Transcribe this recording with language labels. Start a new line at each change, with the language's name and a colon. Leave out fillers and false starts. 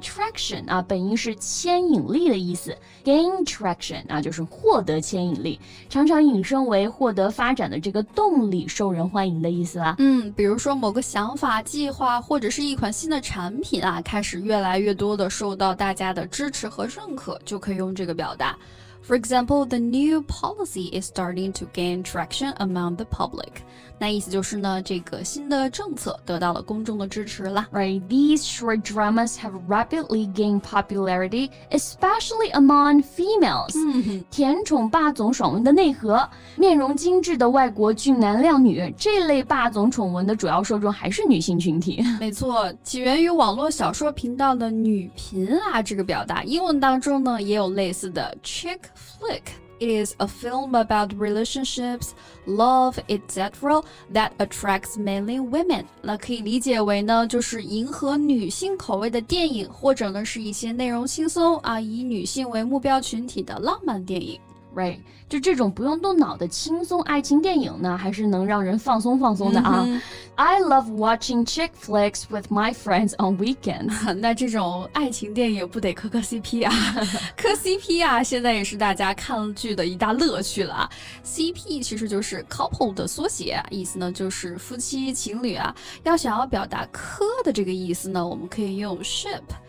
Chinese: Traction、啊、本意是牵引力的意思。Gain traction、啊、就是获得牵引力。常常引申为获得发展的这个动力受人欢迎的意思、啊嗯、比如说某个想法、计划或者是一款新的产品啊，开始越来越多的受到大家的支持和认可，就可以用这个表达。
English: For example, the new policy is starting to gain traction among the public.
Chinese: 那意思就是呢，这个新的政策得到了公众的支持了。
English: Right, these short dramas have rapidly gained popularity, especially among females.
Chinese: 甜宠霸总爽文的内核，面容精致的外国俊男靓女，这类霸总宠文的主要受众还是女性群体。没错，起源于网络小说频道的女频啊，这个表达，英文当中呢也有类似的 chick flick.
English: It is a film about relationships, love, etc. that attracts mainly women.
Chinese: 那可以理解为呢，就是迎合女性口味的电影，或者呢是一些内容轻松啊，以女性为目标群体的浪漫电影。 Right, 就这种不用动脑的轻松爱情电影呢，还是能让人放松放松的啊。 Mm-hmm.
English: I love watching chick flicks with my friends on weekends.
Chinese: 那这种爱情电影不得磕磕 CP 啊？磕 CP 啊，现在也是大家看剧的一大乐趣了。 CP 其实就是 couple 的缩写，意思呢就是夫妻情侣啊。要想要表达磕的这个意思呢，我们可以用 ship。